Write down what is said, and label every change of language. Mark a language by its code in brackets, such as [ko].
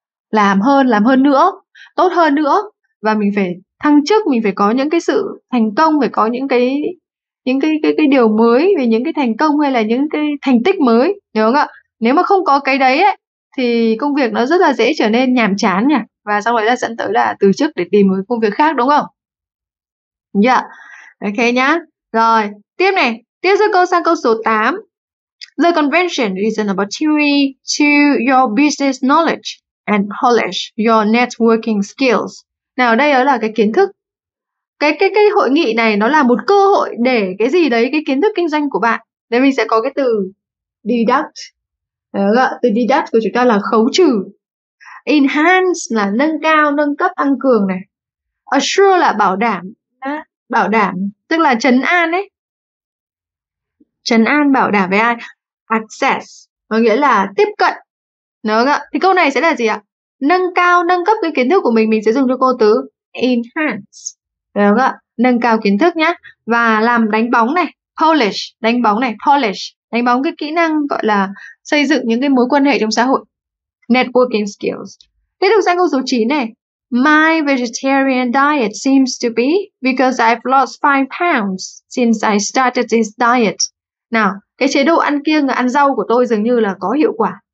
[vi] Làm hơn nữa, tốt hơn nữa. Và mình phải thăng chức, mình phải có những cái sự thành công, phải có những cái điều mới về những cái thành công hay là những cái thành tích mới, hiểu không ạ? Nếu mà không có cái đấy ấy, thì công việc nó rất là dễ trở nên nhàm chán nhỉ, và sau đấy là dẫn tới là từ chức để tìm một công việc khác, đúng không? Dạ, yeah. Ok nhá. Rồi tiếp này, tiếp giữa câu sang câu số 8. [en] The convention is an opportunity to your business knowledge and polish your networking skills. [vi] Nào đây đó là cái kiến thức. Cái hội nghị này nó là một cơ hội để cái gì đấy, cái kiến thức kinh doanh của bạn. Đây mình sẽ có cái từ deduct. Đúng không? Từ deduct của chúng ta là khấu trừ. Enhance là nâng cao, nâng cấp, tăng cường này. Assure là bảo đảm. Bảo đảm tức là trấn an ấy. Trấn an bảo đảm với ai? Access có nghĩa là tiếp cận. Đúng không ạ? Thì câu này sẽ là gì ạ? Nâng cao, nâng cấp cái kiến thức của mình sẽ dùng cho cô từ enhance. Được không ạ? Nâng cao kiến thức nhá. Và làm đánh bóng này, polish, đánh bóng này, polish, đánh bóng cái kỹ năng gọi là xây dựng những cái mối quan hệ trong xã hội. Networking skills. Tiếp tục sang câu số 9 này. [en] My vegetarian diet seems to be because I've lost 5 pounds since I started this diet. [vi] Nào, cái chế độ ăn kiêng, ăn rau của tôi dường như là có hiệu quả.